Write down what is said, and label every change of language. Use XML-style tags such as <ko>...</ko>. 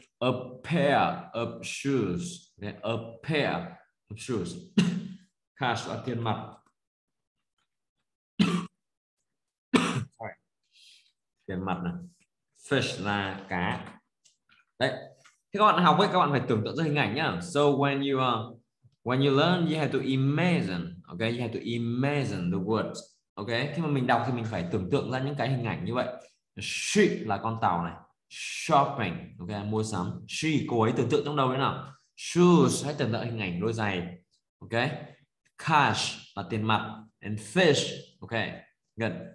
<en>A pair of shoes. A pair of shoes. Cash</en> <vi>là tiền mặt. Tiền mặt này. Fish là cá. Đấy. Thế các bạn học ấy, các bạn phải tưởng tượng ra hình ảnh nhá.</vi> <en>So when you learn, you have to imagine. Okay, you have to imagine the words.</en> <vi>Okay, khi mà mình đọc thì mình phải tưởng tượng ra những cái hình ảnh như vậy. She là con tàu này. Shopping, okay, mua sắm. She, cô ấy tưởng tượng trong đầu thế nào? Shoes, hãy tưởng tượng hình ảnh đôi giày.</vi> <en>Okay. Cash</en> <vi>là tiền mặt.</vi> <en>And fish, okay, good.</en>